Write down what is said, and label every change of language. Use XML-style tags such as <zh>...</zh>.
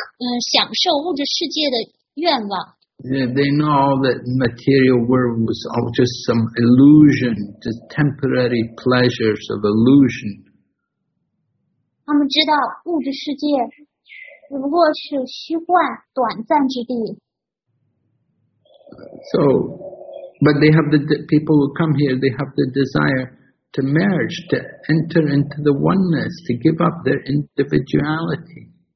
<zh>他们全然放弃了享受物质世界的愿望。</zh> <en>They know all that material world was all just some illusion, just temporary pleasures of illusion.</en> <zh>他们知道物质世界只不过是虚幻短暂之地。</zh> <en>So, but they have the people who come here, they have the desire to merge, to enter into the oneness, to give up their individuality.</en>